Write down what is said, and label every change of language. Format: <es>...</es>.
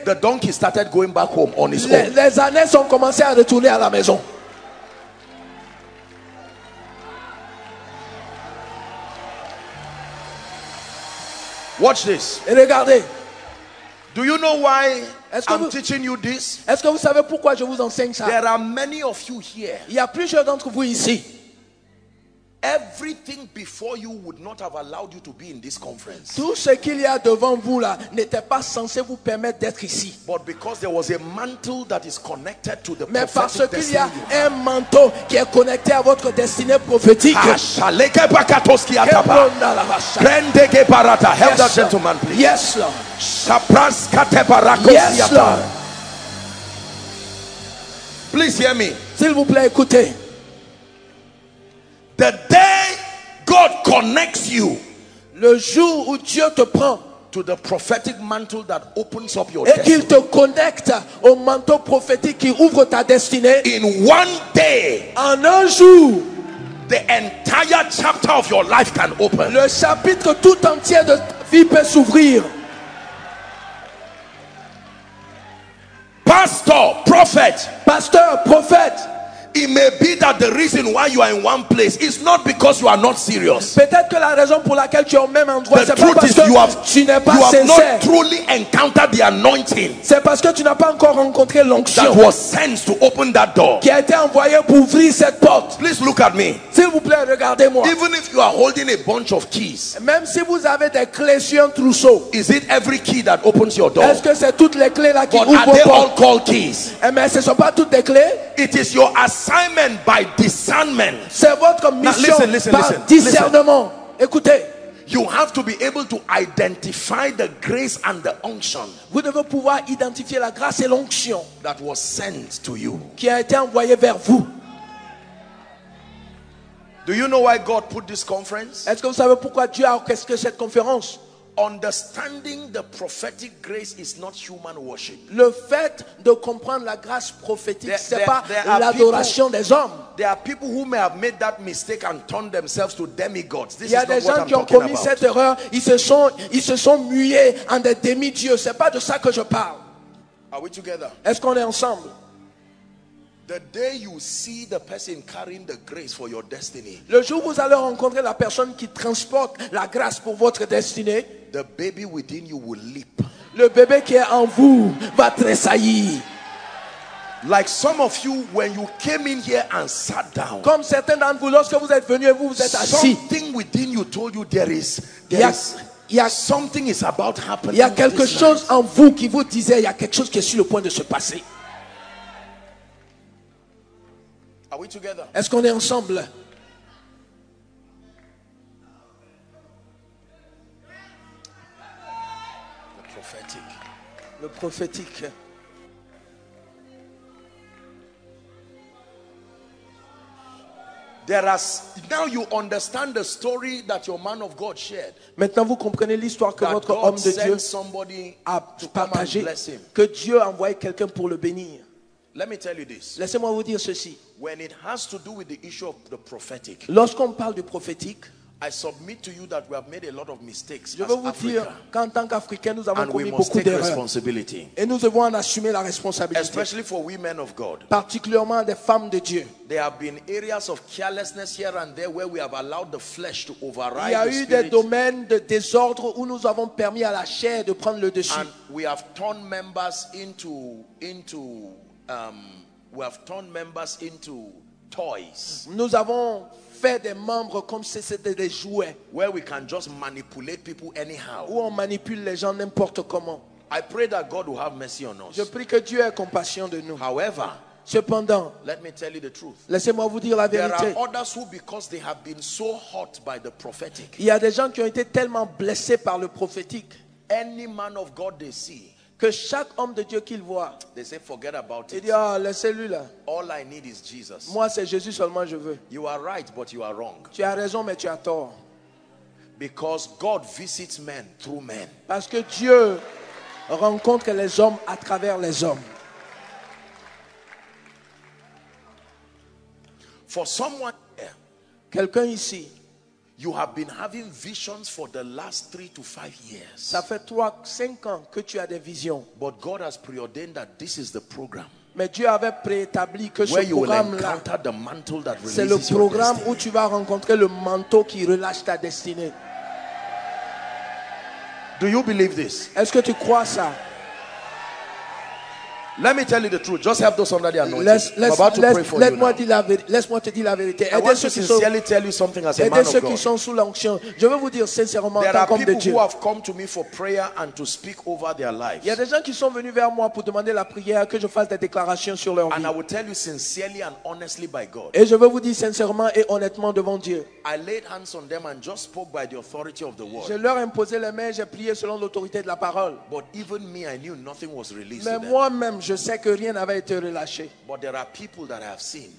<en>the donkey started going back home on his own.</en> <fr>Les ânes ont commencé à retourner à la maison.</fr> <en>Watch this.</en> <fr>Et regardez.</fr> <en>Do you know why teaching you this?</en> <fr>Est-ce que vous savez pourquoi je vous enseigne ça?</fr> <en>There are many of you here.</en> <fr>Il y a plusieurs d'entre vous ici.</fr> <en>Everything before you would not have allowed you to be in this conference.</en> <fr>Tout ce qu'il y a devant vous là n'était pas censé vous permettre d'être ici.</fr> <en>But because there was a mantle that is connected to the</en> <fr>mais parce qu'il y a un manteau qui est connecté à votre destinée prophétique.</fr> <en>Help that gentleman, please. Yes, sir. Please hear me.</en> <fr>S'il vous plaît, écoutez.</fr> <en>The day God connects you,</en> <fr>le jour où Dieu te prend,</fr> <en>to the prophetic mantle that opens up your destiny.</en> <fr>Et qu'il te connecte au manteau prophétique qui ouvre ta destinée.</fr> <en>In one day,</en> <fr>en un jour,</fr> <en>the entire chapter of your life can open.</en> <fr>Le chapitre tout entier de ta vie peut s'ouvrir.</fr> <en>Pastor, prophet, it may be that the reason why you are in one place is not because you are not serious.</en> <fr>Peut-être que la raison pour laquelle tu es au même endroit,</fr> <en>the</en> <fr>c'est pas parce</fr> <en>is,</en> <fr>que</fr> <en>you have,</en> <fr>tu n'es pas</fr> <en>you have</en> <fr>sincère.</fr> <en>Not truly encountered the anointing.</en> <fr>C'est parce que tu n'as pas encore rencontré l'onction.</fr> <en>That was sent to open that door.</en> <fr>Qui a été envoyé pour ouvrir cette porte.</fr> <en>Please look at me.</en> <fr>S'il vous plaît, regardez-moi.</fr> <en>Even if you are holding a bunch of keys.</en> <fr>Même si vous avez des clés sur un trousseau.</fr> <en>Is it every key that opens your door?</en> <fr>Est-ce que c'est toutes les clés là qui</fr> <en>but</en> <fr>ouvrent</fr> <en>are they</en> <fr>porte?</fr> <en>All called keys?</en> <fr>Et mais ce sont pas toutes des clés?</fr> <en>It is your assignment by discernment.</en> <fr>C'est votre mission</fr> <en>now, listen,</en> <fr>par discernement.</fr> <en>Listen.</en> <fr>Écoutez.</fr> <en>You have to be able to identify the grace and the unction.</en> <fr>Vous devez pouvoir identifier la grâce et l'onction</fr> <en>that was sent to you.</en> <fr>Qui a été envoyé vers vous.</fr> <en>Do you know why God put this conference?</en> <fr>Est-ce que vous savez pourquoi Dieu a orchestré cette conférence?</fr> <en>Understanding the prophetic grace is not human worship.</en> <fr>Le fait de comprendre la grâce prophétique, ce n'est pas l'adoration des hommes.</fr> <en>There are people who may have made that mistake and turned themselves to demigods.</en> <fr>Il y a des gens qui ont commis cette erreur. Ils se sont mués en des demi-dieux. Ce n'est pas de ça que je parle.</fr> <en>Are we together?</en> <fr>Est-ce qu'on est ensemble?</fr> <en>The day you see the person carrying the grace for your destiny.</en> <fr>Le jour où vous allez rencontrer la personne qui transporte la grâce pour votre destinée.</fr> <en>The baby within you will leap.</en> <fr>Le bébé qui est en vous va tressaillir.</fr> <en>Like some of you when you came in here and sat down.</en> <fr>Comme certains d'entre vous lorsque vous êtes venus et vous vous êtes assis.</fr> <en>Something within you told you there is. Something is about happening.</en> <fr>Il y a quelque chose en vous qui vous disait il y a quelque chose qui est sur le point de se passer.</fr> <en>Are we together?</en> <fr>Est-ce qu'on est ensemble?</fr> <en>The prophetic.</en> <fr>Le prophétique.</fr> <en>There is now you understand the story that your man of God shared.</en> <fr>Maintenant vous comprenez l'histoire que</fr> <en>that</en> <fr>votre</fr> <en>God</en> <fr>homme de Dieu</fr> <en>somebody</en> <fr>a partagé que Dieu a envoyé quelqu'un pour le bénir.</fr> <en>Let me tell you this.</en> <fr>Laissez-moi vous dire ceci.</fr> <en>When it has to do with the issue of the prophetic.</en> <fr>Lorsqu'on parle du prophétique,</fr> <en>I submit to you that we have made a lot of mistakes.</en> <fr>Je veux vous dire qu'en tant qu'Africain, nous avons commis beaucoup d'erreurs.</fr> <en>must take responsibility.</en> <fr>Et nous devons en assumer la responsabilité.</fr> <en>Especially for women of God.</en> <fr>Particulièrement des femmes de Dieu.</fr> <en>There have been areas of carelessness here and there where we have allowed the flesh to override.</en> <fr>Il y a eu des domaines de désordre où nous avons permis à la chair de prendre le dessus.</fr> <en>And we have turned members into toys.</en> <fr>Nous avons fait des membres comme si c'était des jouets.</fr> <en>Where we can just manipulate people anyhow.</en> <fr>Où on manipule les gens n'importe comment.</fr> <en>I pray that God will have mercy on us.</en> <fr>Je prie que Dieu ait compassion de nous.</fr> <en>However,</en> <fr>cependant,</fr> <en>let me tell you the truth.</en> <fr>Laissez-moi vous dire la vérité.</fr> <en>There are others who, because they have been so hurt by the prophetic.</en> <fr>Il y a des gens qui ont été tellement blessés par le prophétique.</fr> <en>Any man of God they see.</en> <fr>Que chaque homme de Dieu qu'il voit,</fr> <en>they say, forget about</en> <fr>il dit, ah, oh, laissez-lui là.</fr> <en>All I need is Jesus.</en> <fr>Moi, c'est Jésus seulement je veux.</fr> <en>You are right, but you are wrong.</en> <fr>Tu as raison, mais tu as tort.</fr> <en>Because God visits men through men.</en> <fr>Parce que Dieu rencontre les hommes à travers les hommes.</fr> <en>For someone here,</en> <fr>quelqu'un ici,</fr> <en>you have been having visions for the last 3 to 5 years.</en> <fr>Ça fait 3-5 ans que tu as des visions.</fr> <en>But God has preordained that this is the program.</en> <fr>Mais Dieu avait préétabli que</fr> <en>where</en> <fr>ce programme là.</fr> <en>Where you will encounter the mantle that releases your destiny.</en> <fr>C'est le programme</fr> <en>destiny.</en> <fr>Où tu vas rencontrer le manteau qui relâche ta destinée.</fr> <en>Do you believe this?</en> <fr>Est-ce que tu crois ça?</fr> <en>Let me tell you the truth. Just help those under the anointing.</en> <fr>Laisse-moi te dire la vérité.</fr> <en>I want to sincerely tell you something as a man of God.</en> <fr>Aidez ceux qui sont sous l'onction. Je veux vous dire sincèrement,</fr> <en>there are people who have come to me for prayer and to speak over their lives.</en> <fr>Il y a des gens qui sont venus vers moi pour demander la prière que je fasse des déclarations sur leur vie.</fr> <en>And I will tell you sincerely and honestly by God.</en> <fr>Et je veux vous dire sincèrement et honnêtement devant Dieu.</fr> <en>I laid hands on them and just spoke by the authority of the word.</en> <fr>Je leur ai imposé les mains, j'ai prié selon l'autorité de la parole.</fr> <en>But even me, I knew nothing was released.</en> <fr>Mais moi-même je sais que rien n'avait été relâché.</fr> <en>But there are people that I have seen.</en>